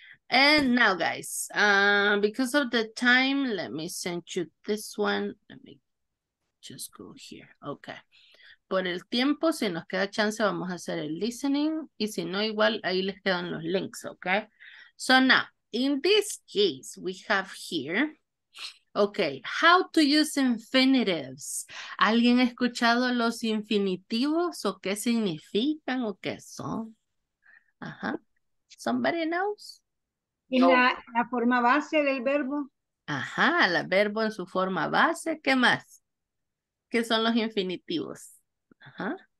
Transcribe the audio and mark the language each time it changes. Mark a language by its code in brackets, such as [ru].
[en] And now, guys, because of the time, let me send you this one. Let me just go here. Okay. [es] Por el tiempo, si nos queda chance, vamos a hacer el listening. Y si no, igual, ahí les quedan los links, okay? [en] So now, in this case, we have here, okay, how to use infinitives. [es] ¿Alguien ha escuchado los infinitivos o qué significan o qué son? [en] Ajá. Somebody knows? [es] ¿Y la forma base del verbo? Ajá, el verbo en su forma base. ¿Qué más? ¿Qué son los infinitivos? Ajá.